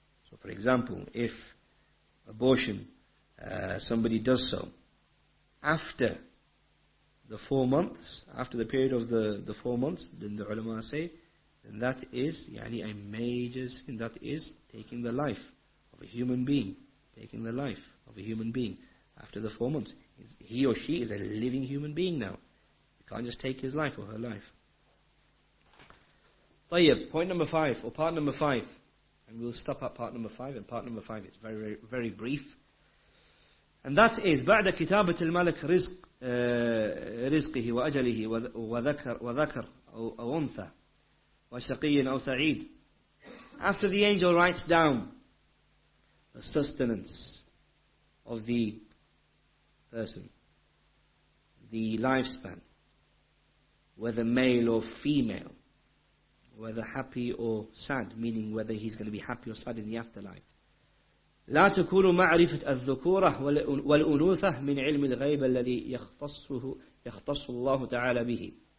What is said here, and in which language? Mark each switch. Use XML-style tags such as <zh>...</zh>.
<en>So for example, if abortion, somebody does so after the 4 months, after the period of the 4 months, then the ulama say, then that is a major sin, that is taking the life of a human being, taking the life of a human being after the 4 months. He or she is a living human being now. You can't just take his life or her life. Tayyib, point number five, or part number five. And we'll stop at part number five, and part number five is very, very, very brief. And that is,</en> <ar>بعد كتابة الملك رزقه وأجله وذكر أو أنثى وشقي أو سعيد.</ar> <en>After the angel writes down the sustenance of the person, the lifespan, whether male or female, whether happy or sad, meaning whether he's going to be happy or sad in the afterlife.</en> <ar>لا تكون معرفة الذكورة والأنوثة من علم الغيب الذي يختص الله تعالى به.</ar>